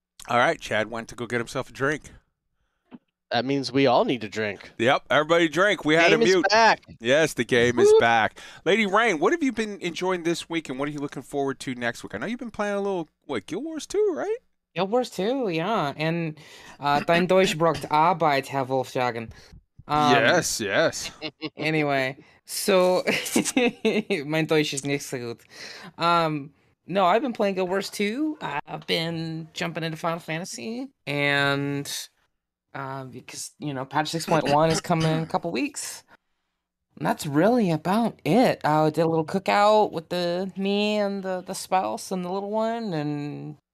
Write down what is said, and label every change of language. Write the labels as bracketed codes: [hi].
[en] All right, Chad went to go get himself a drink. That means we all need to drink. Yep, everybody drink. We had game a mute. Is back. Yes, the game is back. Lady Rain, what have you been enjoying this week, and what are you looking forward to next week? I know you've been playing a little, Guild Wars 2, right? Guild Wars 2, yeah. [de] And Dein Deutsch braucht Arbeit, Herr Wolfsjagen. [en] Yes. Anyway, so [de] mein Deutsch ist nicht so gut. [en] No, I've been playing Guild Wars 2. I've been jumping into Final Fantasy, and because, you know, patch 6.1 is coming in a couple weeks. And that's really about it. I did a little cookout with me and the spouse and the little one, and